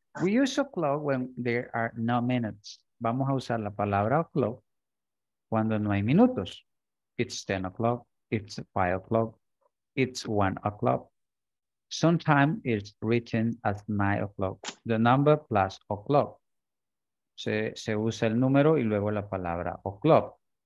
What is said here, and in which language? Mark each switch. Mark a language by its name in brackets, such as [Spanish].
[English] We use o'clock when there are no minutes. [Spanish] Vamos a usar la palabra o'clock cuando no hay minutos. [English] It's 10 o'clock, it's 5 o'clock, it's 1 o'clock. Sometimes it's written as 9 o'clock, the number plus o'clock. [Spanish] Se usa el número y luego la palabra o'clock.